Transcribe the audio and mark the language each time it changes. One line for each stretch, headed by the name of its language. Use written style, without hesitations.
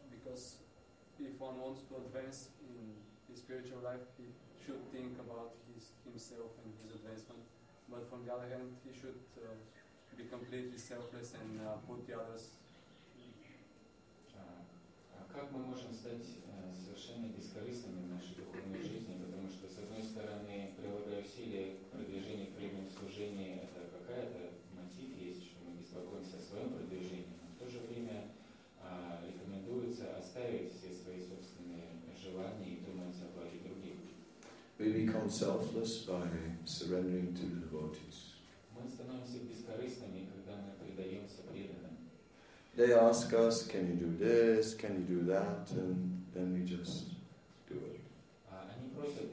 English: Because if one wants to advance in his spiritual life, he should think about himself and his advancement. But from the other hand, he should be completely selfless and put the others.
Russian: Как мы можем стать совершенно бескорыстными в нашей духовной жизни, потому что, с одной стороны, прилагая усилия к продвижению, к прямому служению, это какая-то мотив есть, что мы беспокоимся о своем продвижении, но в то же время рекомендуется оставить все свои собственные желания и думать о благе других.
English: We become selfless by surrendering to the devotees.
Russian: Мы становимся бескорыстными, когда мы предаемся преданным.
English: They ask us, can you do this, can you do that, and then we just do it.